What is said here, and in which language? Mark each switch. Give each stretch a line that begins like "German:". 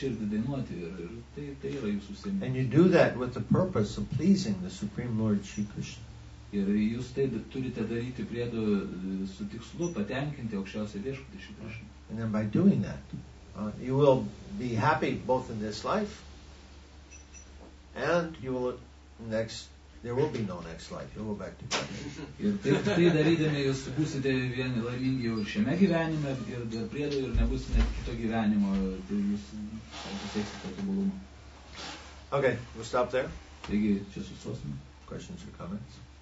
English: And you do that with the purpose of pleasing the Supreme Lord Shri Krishna.
Lithuanian: Ir jūs tai turite daryti priedo su tikslu patenkinti aukščiausią viešpatį Shri Krishna.
English: And then by doing that, you will be happy both in this life and you will next. There will be no next life. You'll go back to
Lithuanian: Ir tai darydami, jūs būsite vieni laimingi jau šiame gyvenime ir dėl priedo ir nebus net kito gyvenimo. Tai jūs pasieksite tobulumą.
English: Okay, we'll stop there.
Lithuanian: Taigi, čia sustosime.
English: Questions or comments?